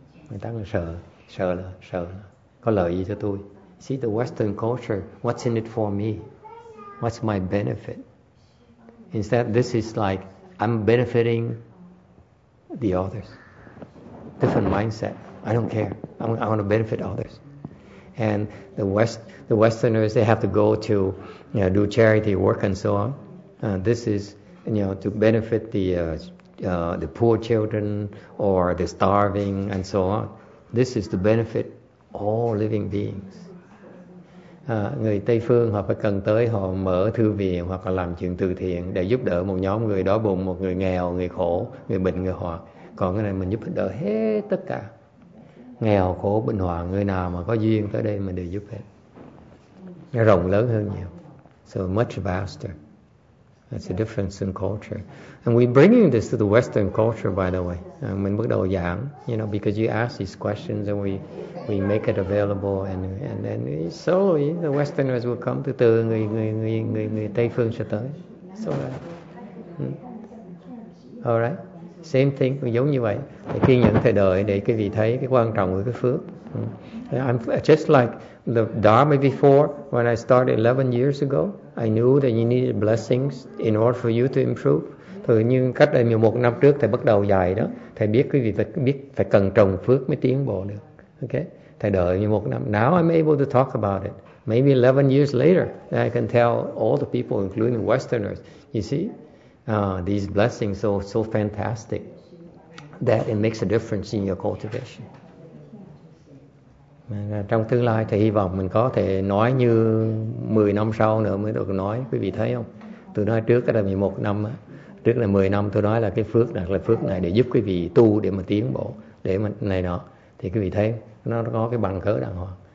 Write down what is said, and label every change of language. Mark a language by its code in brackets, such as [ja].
[vi] Người ta còn sợ là có lợi gì cho tôi. [en] See the Western culture, what's in it for me? What's my benefit? Instead, this is like I'm benefiting the others. Different mindset. I don't care. I want to benefit others. And the Westerners, they have to go to, you know, do charity work and so on. This is, you know, to benefit the poor children or the starving and so on. This is to benefit all living beings. [vi] Người Tây phương họ phải cần tới, họ mở thư viện hoặc là làm chuyện từ thiện để giúp đỡ một nhóm người đói bụng, một người nghèo, người khổ, người bệnh, người hoạn. Còn cái này mình giúp đỡ hết tất cả nghèo, khổ, bệnh hoạn, người nào mà có duyên tới đây mình đều giúp hết. Nó rộng lớn hơn nhiều. [en] So much vaster. That's a difference in culture. And we're bringing this to the Western culture, by the way. [vi] Mình bắt đầu giảng, [en] you know, because you ask these questions and we make it available. And then slowly the Westerners will come. [vi] Từ từ người Tây phương sẽ tới. So, all right. [en] Same thing, [vi] giống như vậy. Để kiên nhẫn thời đời để quý vị thấy cái quan trọng của cái phước. [en] I'm just like the Dharma before, when I started 11 years ago, I knew that you needed blessings in order for you to improve. [vi] Thì như cách đây 11 năm trước thầy bắt đầu dạy đó, thầy biết quý vị phải cần trồng phước mới tiến bộ được. [en] Okay? [vi] Thầy đợi 11 năm. [en] Now I'm able to talk about it. Maybe 11 years later, I can tell all the people, including Westerners, you see, these blessings are so fantastic that it makes a difference in your cultivation. [vi] Trong tương lai thì hy vọng mình có thể nói như 10 năm sau nữa mới được nói. Quý vị thấy không? Tôi nói trước là 11 năm, trước là 10 năm tôi nói là cái phước này, là phước này để giúp quý vị tu, để mà tiến bộ, để mà này nọ. Thì quý vị thấy nó có cái bằng cỡ đàng hoàng.